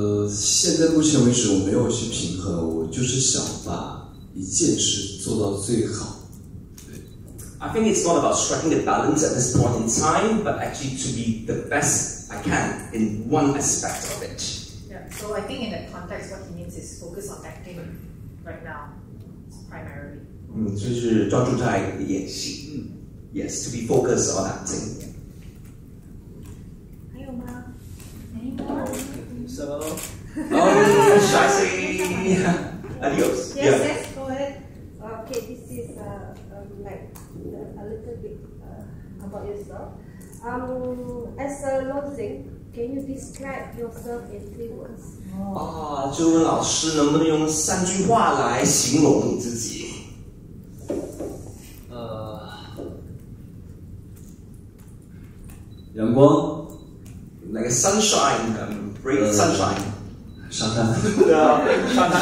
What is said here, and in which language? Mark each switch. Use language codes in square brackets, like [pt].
[zh] 现在目前为止我没有去平衡，我就是想把一件事做到最好。 [en] I think it's not about striking the balance at this point in time, but actually to be the best I can in one aspect of it. Yeah, so I think in that context, what he means is focus on acting right now, primarily. [zh] 就是专注在演戏。 Yes, to be focused on acting. 还有吗？没有。 [en] So, shall I say adios? Yes, yes, go ahead. Okay, this is like a little bit about yourself. As a losing, can you describe yourself in three words? [zh] 就问老师能不能用三句话来形容你自己。阳光 [en] ，like sunshine, bright sunshine， [zh] 沙滩。对啊，沙滩。